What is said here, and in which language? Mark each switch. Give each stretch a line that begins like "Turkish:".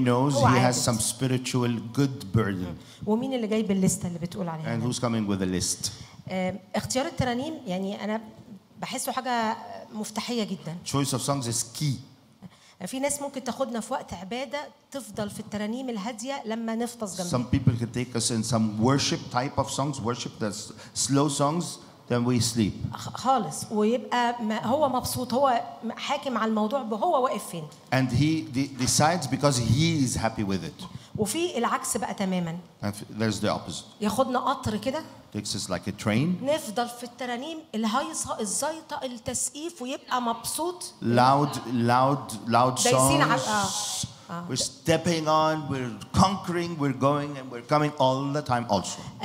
English: He knows he has some spiritual good burden.
Arabic: ومين اللي جاي بالليسته اللي بتقول عليها
English: And who's coming with the list?
Arabic: اختيار الترانيم يعني انا بحسه حاجه مفتاحيه جدا
English: Choice of songs is key.
Arabic: في ناس ممكن تاخدنا في وقت عباده تفضل في الترانيم الهاديه لما نفطس جنبها
English: Some people can take us in some worship type of songs worship the slow songs Then we sleep.
Arabic: خالص ويبقى هو مبسوط هو حاكم على الموضوع وهو واقف فين.
English: And he decides because he is happy with it.
Arabic: وفي العكس بقى تماما.
English: And there's the opposite.
Arabic: ياخدنا قطر كده.
English: Takes us like a train.
Arabic: نفضل في الترانيم الهايصة الزيطة التسقيف ويبقى مبسوط.
English: Loud songs. We're stepping on, we're conquering, we're going, and we're coming all the time also.